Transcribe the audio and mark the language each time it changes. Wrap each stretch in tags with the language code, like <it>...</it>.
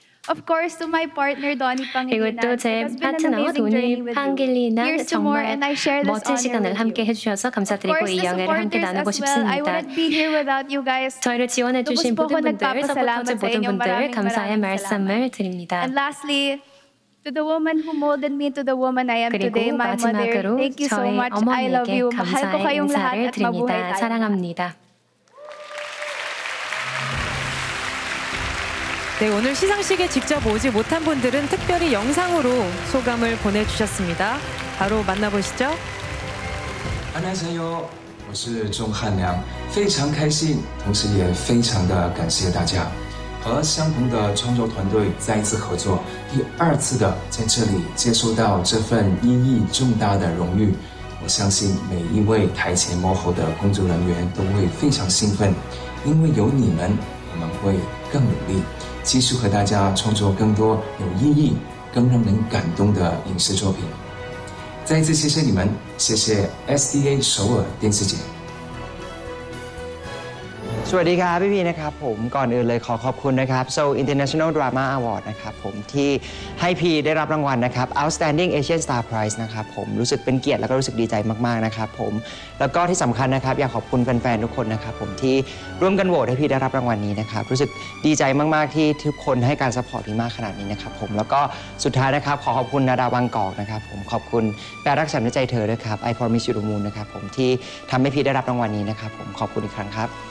<en>Of course, to my partner Donnie Pangilinan.</en> <ko>그리고 또 제 파트너 도니 팡길리나 정말 멋진 시간을 함께 해주셔서 감사드리고 이 영예를 함께 나누고 싶습니다. 저희를 지원해주신 모든 분들, 서포터즈 모든 분들 감사의 말씀을 드립니다.</ko> <en>And lastly, to the woman who molded me to the woman I am today, my mother. Thank you so much. I love you.</en> <ko>감사의 인사를 드립니다. 사랑합니다. 네, 오늘 시상식에 직접 오지 못한 분들은 특별히 영상으로 소감을 보내주셨습니다. 바로 만나보시죠. 안녕하세요. 저는 종한량.</ko> <zh>非常开心,</zh> <ko>동시에</ko> <zh>非常的感谢大家. 和相同的创作团队再次合作, 第二次的在这里接受到这份意义重大的荣誉. 我相信每一位台前幕后的工作人员都会非常兴奋, 因为有你们，我们会更努力。继续和大家创作更多有意义、更让人感动的影视作品。再次谢谢你们， 谢谢SDA首尔电视节。</zh> <th>สวัสดีครับพี่พีนะครับผมก่อนอื่นเลยขอขอบคุณนะครับ Seoul International Drama Award นะครับผมที่ให้พีได้รับรางวัลนะครับ Outstanding Asian Star Prize นะครับผมรู้สึกเป็นเกียรติแล้วก็รู้สึกดีใจมากๆนะครับผมแล้วก็ที่สำคัญนะครับอยากขอบคุณแฟนๆทุกคนนะครับผมที่ร่วมกันโหวตให้พีได้รับรางวัลนี้นะครับรู้สึกดีใจมากๆที่ทุกคนให้การซัพพอร์ตดีมากขนาดนี้นะครับผมแล้วก็สุดท้ายนะครับขอขอบคุณนาดาวังกอกนะครับผมขอบคุณแปรรักฉันในใจเธอด้วยครับ I promise you the moon นะครับผมที่ทำให้พีได้รับรางวัลนี้นะครับผมขอบคุณอีกครั้งครับ</th>